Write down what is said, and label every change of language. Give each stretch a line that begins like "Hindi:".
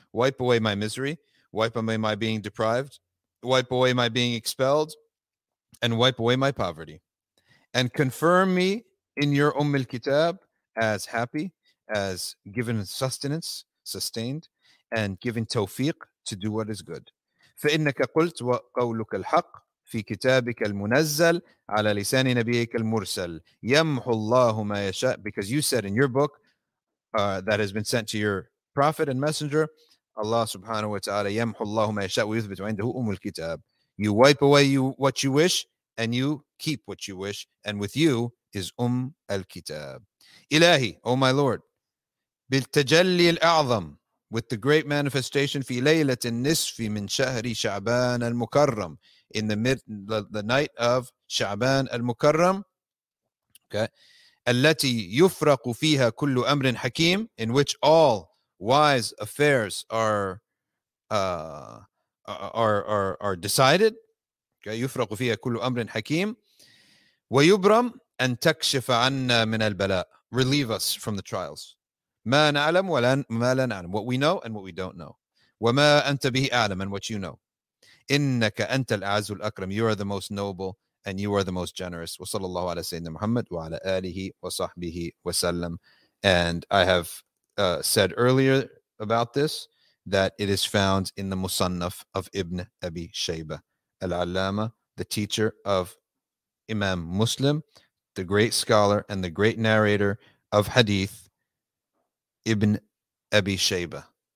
English: Wipe away my misery. Wipe away my being deprived. Wipe away my being expelled. And wipe away my poverty. And confirm me in your Ummul Kitab as happy, as given sustenance, sustained, and given tawfiq to do what is good.
Arabic: فإنك قلت وقولك الحق في كتابك المنزل على لسان نبيك المرسل يمحو الله ما يشاء.
English: Because you said in your book that has been sent to your prophet and messenger, Allah subhanahu wa ta'ala
Arabic: يمحو الله ما يشاء ويثبت عنده أم الكتاب.
English: You wipe away what you wish and you keep what you wish, and with you is أم الكتاب. إلهي, O my Lord,
Arabic: بالتجلي الأعظم,
English: with the great manifestation
Arabic: في ليلة النصف من شهر شعبان المكرم,
English: in the mid the night of شعبان المكرم,
Arabic: okay, التي يفرق فيها كل أمر حكيم,
English: in which all wise affairs are decided,
Arabic: okay, يفرق فيها كل أمر حكيم, ويبرم أن تكشف عنا من البلاء,
English: relieve us from the trials.
Arabic: ما نعلم ولا ما لا نعلم,
English: what we know and what we don't know.
Arabic: وما أنت به أعلم,
English: and what you know.
Arabic: إنك أنت الأعز الأكرم,
English: you are the most noble and you are the most generous.
Arabic: وصلى الله على سيدنا محمد وعلى آله وصحبه وسلم.
English: And I have said earlier about this, that it is found in the Musannaf of Ibn Abi Shayba, Al-Allama, the teacher of Imam Muslim, the great scholar and the great narrator of Hadith, Ibn Abi Shayba.